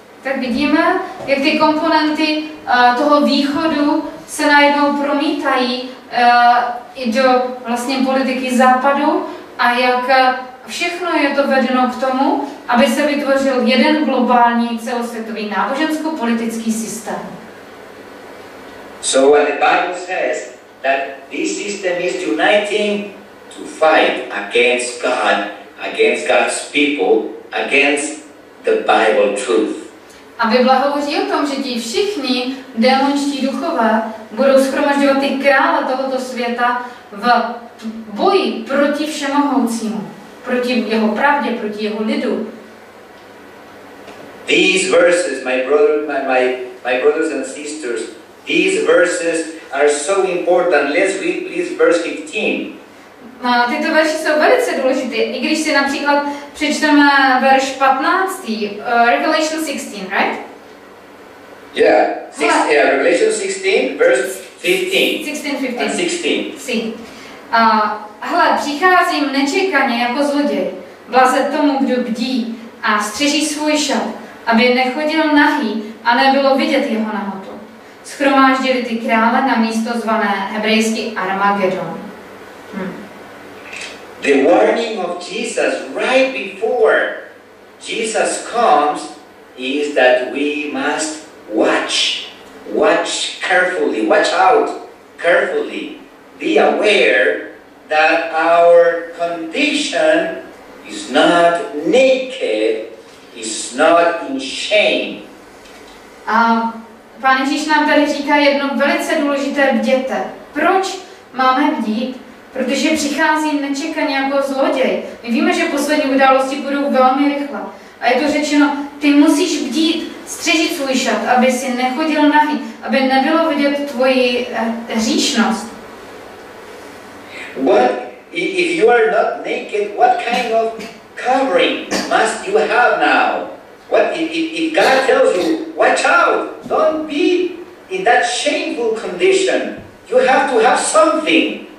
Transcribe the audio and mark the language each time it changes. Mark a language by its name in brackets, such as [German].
[Czech] Tak vidíme, jak ty komponenty toho východu se najednou promítají i do vlastně politiky západu a jak všechno je to vedeno k tomu, aby se vytvořil jeden globální celosvětový nábožensko-politický systém. [English] So when the Bible says that this system is uniting to fight against God's people, against the Bible truth. [Czech] A Bible hovoří o tom, že ti všichni démonští duchové budou shromažďovat ty krále tohoto světa v boji proti všemohoucímu, proti jeho pravdě, proti jeho lidu. [English] These verses, my brothers and sisters, these verses are so important. Let's read please verse 15. [Czech] No, tyto verše jsou velice důležité. I když si například přečteme verš 15. [English] Revelation 16, right? Yeah. Revelation 16, verse 15. 16. [Czech] Hele, přicházím nečekaně jako zloděj. Blaze tomu, kdo bdí a střeží svůj šat, aby nechodil nahý a nebylo vidět jeho nahotu. Shromáždili ty krále na místo zvané hebrejsky Armagedon. [English] The warning of Jesus right before Jesus comes is that we must watch carefully, watch out carefully, be aware that our condition is not naked, is not in shame. [Czech] Pán Ježíš nám tady říká jedno velice důležité, bděte. Proč máme bdít? Protože přichází nečekaně jako zloděj. My víme, že poslední události budou velmi rychle. A je to řečeno, ty musíš bdít, střežit svůj šat, aby si nechodil nahý, aby nebylo vidět tvoji hříšnost. [English] What if you are not naked? What kind of covering must you have now? What if God tells you, watch out, don't be in that shameful condition. You have to have something.